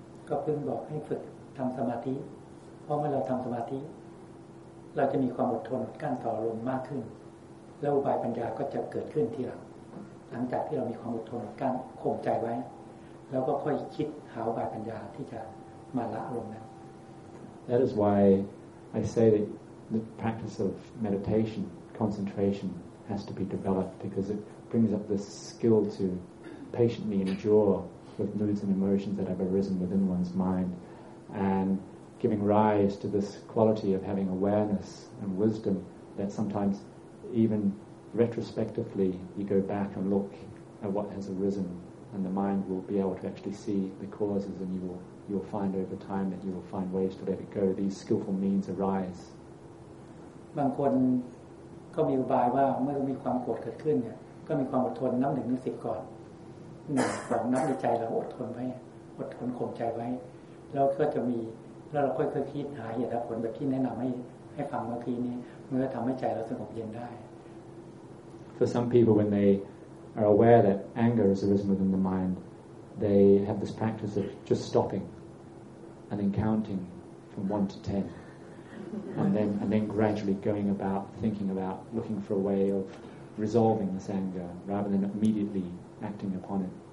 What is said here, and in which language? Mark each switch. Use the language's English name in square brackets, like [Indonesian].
[Thai] ก็เพิ่งบอกให้ฝึกทำสมาธิพอเมื่อเราทำสมาธิเราจะมีความอดทนกั้นต่ออารมณ์มากขึ้นแล้วอุบายปัญญาก็จะเกิดขึ้นทีหลังหลังจากที่เรามีความอดทนกั้นข่มใจไว้แล้วก็ค่อยคิดหาอุบายปัญญาที่จะมาละอารมณ์นั้น [English] That is why I say that the practice of meditation concentration has to be developed because it brings up the skill to patiently endure with moods and emotions that have arisen within one's mind and giving rise to this quality of having awareness and wisdom that sometimes even retrospectively you go back and look at what has arisen, and the mind will be able to actually see the causes, and you will find over time that you will find ways to let it go. These skillful means arise. [Thai] บางคนก็มีอุบายว่าเมื่อมีความโกรธเกิดขึ้นเนี่ยก็มีความอดทนนับหนึ่งถึงสิบก่อนหนึ่งสองนับในใจเราอดทนไว้อดทนข่มใจไว้แล้วก็จะมีแล้วเราค่อยคิดหาเหตุและผลแบบที่แนะนำให้ฟังเมื่อกี้นี้มันก็ทำให้ใจเราสงบเย็นได้ [English] For some people when they are aware that anger has arisen within the mind they have this practice of just stopping and then counting from 1 to 10And then gradually going about thinking about looking for a way of resolving this anger rather than immediately acting upon it.